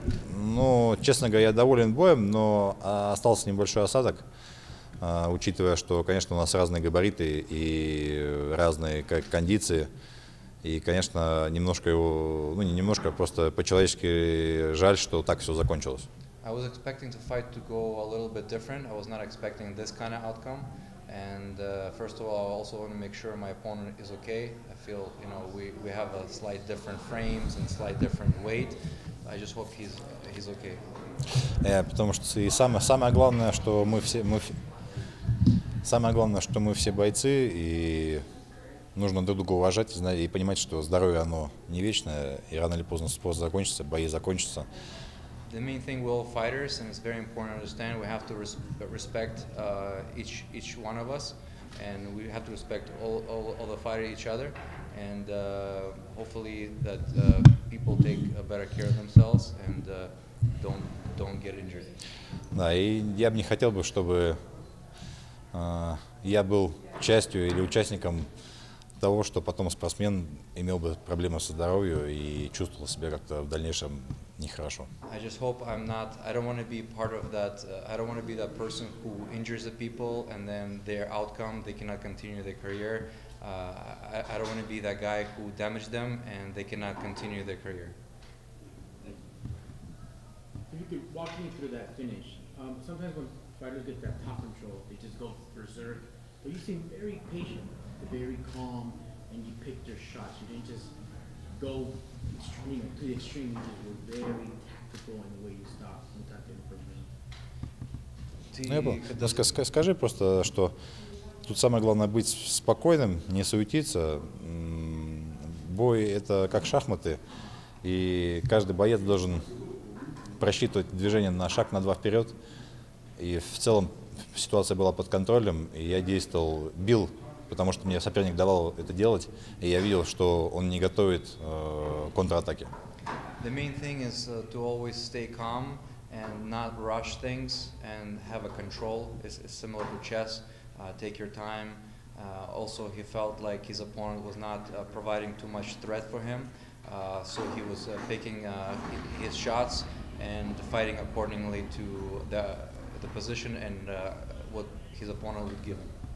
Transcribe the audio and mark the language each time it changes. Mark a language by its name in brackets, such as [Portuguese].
[Russian] Ну, честно говоря, я доволен боем, но остался небольшой осадок, учитывая, что, конечно, у нас разные габариты и разные кондиции. И, конечно, немножко его, ну не немножко, просто по-человечески жаль, что так все закончилось. [English] I was expecting the fight to go a little bit different. I was not expecting this kind of outcome. And first of all, I also want to make sure my opponent is okay. I feel, you know, we have a slight different frames and slight different weight. I just hope he's okay. [Russian] Потому что и самое главное, что мы все бойцы и нужно друг друга уважать и понимать, что здоровье оно не вечное, и рано или поздно спорт закончится, бои закончатся. [English] The main thing we're all fighters, and it's very important to understand we have to respect each one of us, and we have to respect all the fighters each other, and hopefully that people take a better care of themselves and don't get injured. [Russian] Да, и я бы не хотел бы, чтобы я был частью или участником того, что потом спортсмен имел бы проблемы со здоровьем и чувствовал себя как-то в дальнейшем нехорошо. [English] I just hope I'm not, I don't want to be part of that, I don't want to be that person who injures the people and then their outcome, they cannot continue their career. I don't want to be that guy who damaged them and they cannot continue their career. Can you do walking me through that finish. Sometimes when fighters get that top control, they just go berserk. But you seem very patient, very calm, and you picked your shots. You didn't just go extreme, to the extreme. You just were very tactical in the way you stopped and tucked in for me. [Russian] Скажи просто, что тут самое главное быть спокойным, не суетиться. Бой – это как шахматы, и каждый боец должен просчитывать движение на шаг, на два вперед. И в целом ситуация была под контролем, и я действовал, бил, потому что мне соперник давал это делать, и я видел, что он не готовит контратаки. [English] The main thing is to always stay calm and not rush things and have a control. It's similar to chess. Take your time. Also, he felt like his opponent was not providing too much threat for him, so he was picking his shots and fighting accordingly to the position and what his opponent would give him.